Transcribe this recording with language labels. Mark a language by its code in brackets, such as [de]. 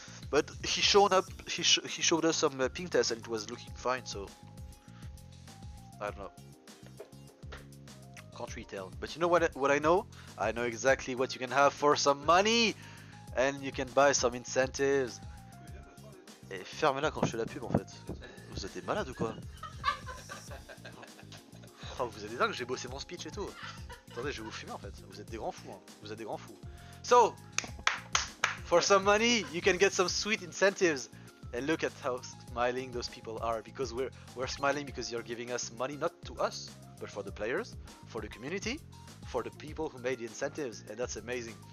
[en] But he showed us some ping tests and it was looking fine, so I don't know. Can't retell. But you know what I know? I know exactly what you can have for some money and you can buy some incentives. [fr] Et fermez-la quand je fais la pub en fait. Vous êtes des malades ou quoi? Oh, vous êtes dingue, j'ai bossé mon speech et tout. Attendez, je vais vous fumer en fait. Vous êtes des grands fous, hein. Vous êtes des grands fous. [en] So, for some money, you can get some sweet incentives. And look at how smiling those people are. Because we're smiling because you're giving us money, not to us, but for the players, for the community, for the people who made the incentives. And that's amazing.